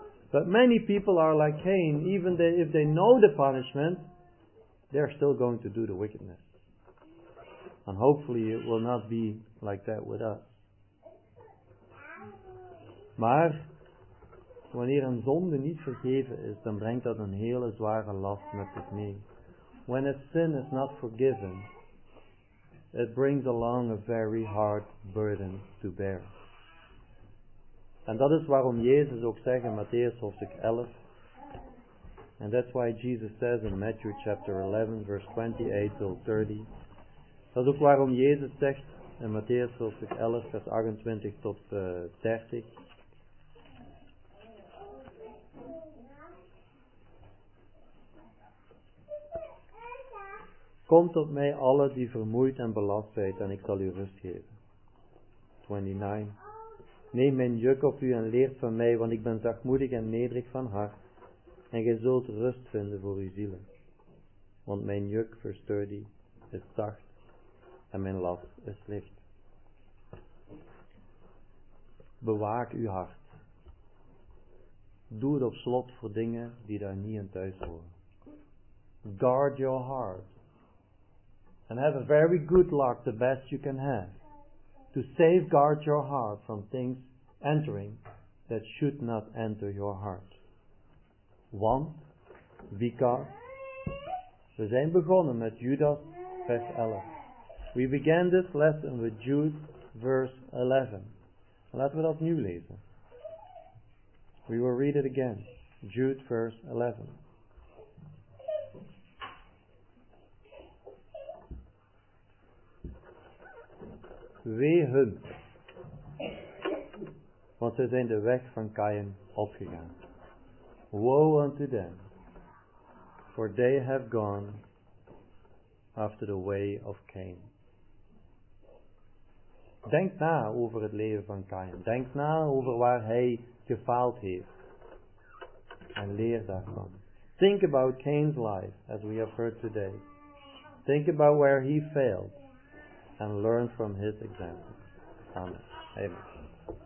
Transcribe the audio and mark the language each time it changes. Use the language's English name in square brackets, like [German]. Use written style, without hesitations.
[English] But many people are like Cain, if they know the punishment, they are still going to do the wickedness. And hopefully it will not be like that with us. [Dutch] Maar wanneer een zonde niet vergeven is, dan brengt dat een hele zware last met zich mee. [English] When a sin is not forgiven, it brings along a very hard burden to bear. [Dutch] En dat is waarom Jezus ook zegt in Matthäus hoofdstuk 11. [English] And that's why Jesus says in Matthew chapter 11, verse 28 till 30. [Dutch] Dat is ook waarom Jezus zegt in Matthäus hoofdstuk 11, vers 28 tot 30. Kom tot mij alle die vermoeid en belast zijn, en ik zal u rust geven. 29. Neem mijn juk op u en leer van mij, want ik ben zachtmoedig en nederig van hart. En gij zult rust vinden voor uw zielen. Want mijn juk, vers 30, is zacht en mijn last is licht. Bewaak uw hart. Doe het op slot voor dingen die daar niet in thuis horen. [English] Guard your heart. And have a very good luck, the best you can have, to safeguard your heart from things entering that should not enter your heart. [Dutch] Want, [English] because, [Dutch] we zijn begonnen met Judas vers 11. [English] We began this lesson with Jude verse 11. [Dutch] Laten we dat nu lezen. [English] We will read it again. Jude verse 11. [Dutch] Wee hun, want zij zijn de weg van Kain opgegaan. [English] Woe unto them, for they have gone after the way of Cain. [Dutch] Denk na over het leven van Kain. Denk na over waar hij gefaald heeft. En leer daarvan. [English] Think about Cain's life, as we have heard today. Think about where he failed. And learn from his example. Amen. Amen.